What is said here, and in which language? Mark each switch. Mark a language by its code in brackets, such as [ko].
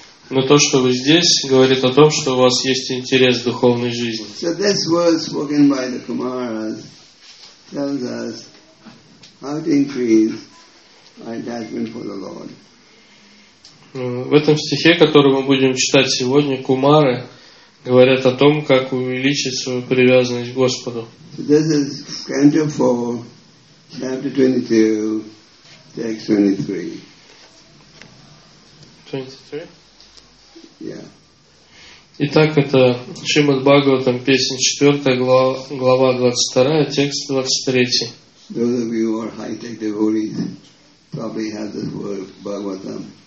[ru] Но то, что вы здесь, говорит о том, что у вас есть интерес к духовной жизни. [en] So this word spoken by the Kumaras tells us how to increase our attachment for the Lord. [ru] В этом стихе, который мы будем читать сегодня, Кумары говорят о том, как увеличить свою привязанность к Господу. [en] So this is Canto 4, chapter 22, text 23. 23? Yeah. [ru] Итак, это Шримад Бхагаватам, песня 4, глава 22, текст 23. [en] Those of you who are high-tech devotees probably have this word, Bhagavatam.